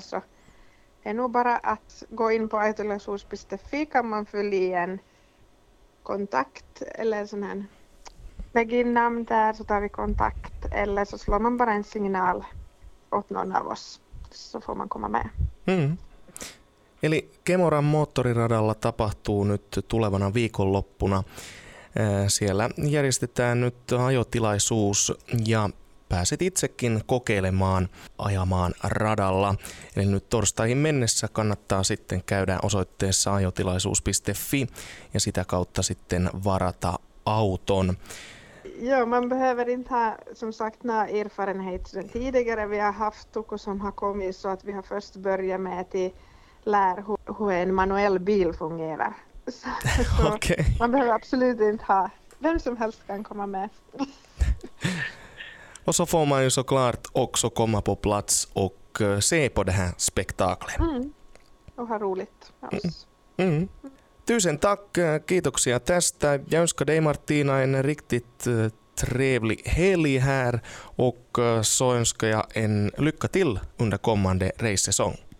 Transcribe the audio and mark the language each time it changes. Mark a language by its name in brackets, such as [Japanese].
[Swedish] Så det är nog bara att gå in på ajotilaisuus.fi kan man fylla i en kontakt. Eller sån här, lägg in namn där så tar vi kontakt. Eller så slår man bara en signal åt någon av oss så får man komma med. Mm. [Finnish] Eli Kemoran moottoriradalla tapahtuu nyt tulevana viikonloppuna. Siellä järjestetään nyt ajotilaisuus ja pääset itsekin kokeilemaan ajamaan radalla. Eli nyt torstaihin mennessä kannattaa sitten käydä osoitteessa ajotilaisuus.fi ja sitä kautta sitten varata auton. [Swedish] Ja, man behöver inte ha, som sagt, någon erfarenhet sedan tidigare. Vi har haft tuckor som har kommit så att vi har först börjat med att lära hur en manuell bil fungerar. Så Okej. man behöver absolut inte ha, vem som helst kan komma med. Och så får man ju såklart också komma på plats och se på det här spektaklet. Och ha roligt med oss. Tusen tack, [Finnish] kiitoksia tästä. [Swedish] Jag önskar dig Martina en riktigt trevlig helg här och så önskar jag en lycka till under kommande race-säsong.